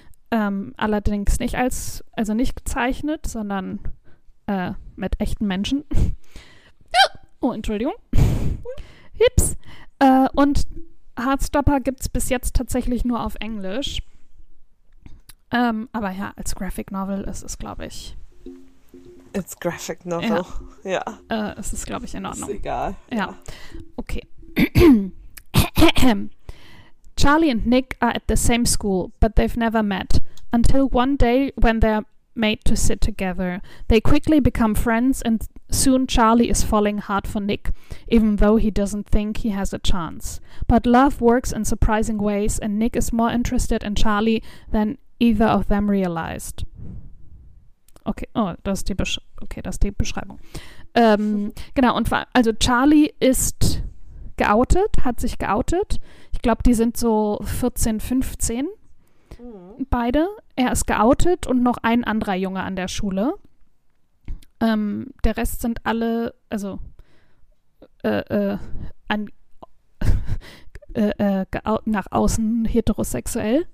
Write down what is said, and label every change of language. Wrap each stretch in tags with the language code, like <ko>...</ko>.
<de>Allerdings nicht als, also nicht gezeichnet, sondern mit echten Menschen. Oh, Entschuldigung. Hips. Und Heartstopper gibt es bis jetzt tatsächlich nur auf Englisch. Aber ja, als Graphic Novel ist es, glaube ich.</de> <en>It's Graphic Novel, ja.</en> <de>Es ist, glaube ich, in Ordnung. Ist egal. Ja. Okay.</de> <en>Charlie and Nick are at the same school, but they've never met. Until one day when they're made to sit together. They quickly become friends and soon Charlie is falling hard for Nick, even though he doesn't think he has a chance. But love works in surprising ways and Nick is more interested in Charlie than either of them realized.</en> <de>Okay, oh, das ist die Beschreibung. Genau, und also Charlie ist geoutet, hat sich geoutet. Ich glaube, die sind so 14, 15. Beide. Er ist geoutet und noch ein anderer Junge an der Schule. Der Rest sind alle, also nach außen heterosexuell.</de>